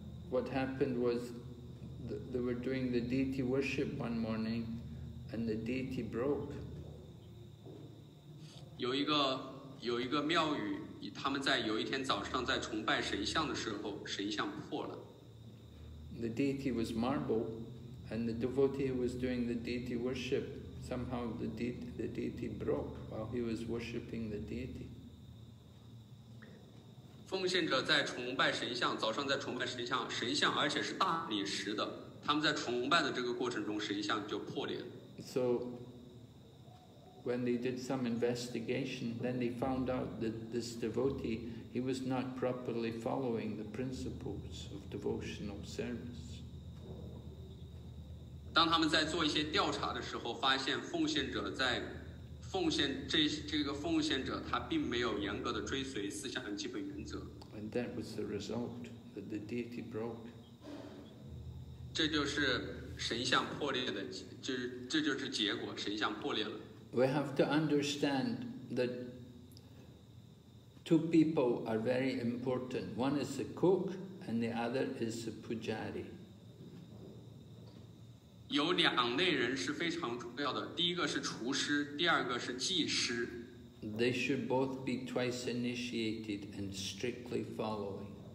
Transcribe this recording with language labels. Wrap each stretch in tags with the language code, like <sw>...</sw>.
<en>What happened was they were doing the deity worship one morning, and the deity broke.</en> <zh>有一个庙宇，他们在有一天早上在崇拜神像的时候，神像破了。</zh> <en>The deity was marble, and the devotee who was doing the deity worship somehow the deity broke while he was worshiping the deity.</en> <zh>奉献者在崇拜神像，早上在崇拜神像，而且是大理石的。他们在崇拜的这个过程中，神像就破裂了。</zh> <en>So. When they did some investigation, then they found out that this devotee, he was not properly following the principles of devotional service.</en> <zh>当他们在做一些调查的时候，发现奉献者在奉献这个奉献者他并没有严格的追随四项基本原则。</zh> <en>And that was the result that the deity broke.</en> <zh>这就是神像破裂的，这就是结果，神像破裂了。</zh> <en>We have to understand that two people are very important. One is the cook, and the other is the pujari.</en> <zh>有两类人是非常重要的，第一个是厨师，第二个是技师。</zh> <en>They should both be twice initiated and strictly following.</en>